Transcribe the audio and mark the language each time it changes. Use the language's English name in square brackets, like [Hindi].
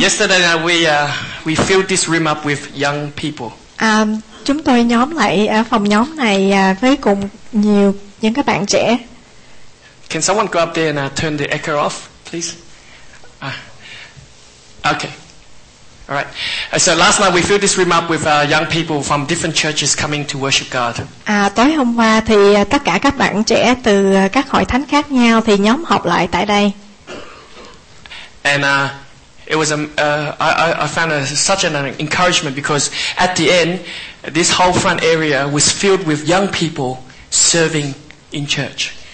[English] Yesterday night we filled this room up with young people. [Vietnamese] Chúng tôi nhóm lại phòng nhóm này với cùng nhiều những các bạn trẻ. [English] Can someone go up there and turn the echo off, please? Okay. All right. So last night we filled this room up with young people from different churches coming to worship God. [Vietnamese] Tối hôm qua thì tất cả các bạn trẻ từ các hội thánh khác nhau thì nhóm họp lại tại đây. [English] And it was I found such an encouragement because at the end this whole front area was filled with young people serving in church.